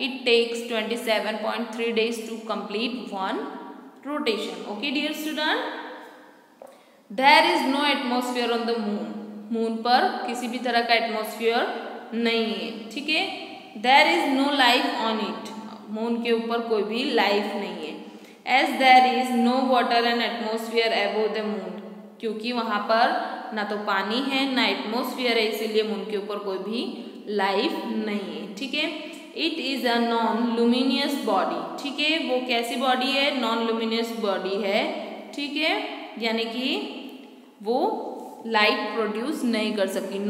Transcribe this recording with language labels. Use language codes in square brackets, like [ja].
[en] It takes 27.3 days to complete one rotation, okay dear student. There is no atmosphere on the moon. [hi] Moon पर किसी भी तरह का atmosphere नहीं है, ठीक है। [en] There is no life on it. [hi] Moon के ऊपर कोई भी life नहीं है. [en] As there is no water and atmosphere above the moon. [hi] क्योंकि वहाँ पर ना तो पानी है ना atmosphere है, इसीलिए moon के ऊपर कोई भी life नहीं है, ठीक है। [en] It is a non-luminous body. [hi] ठीक है, वो कैसी body है? Non-luminous body है, ठीक है। यानी कि वो light produce नहीं कर सकती।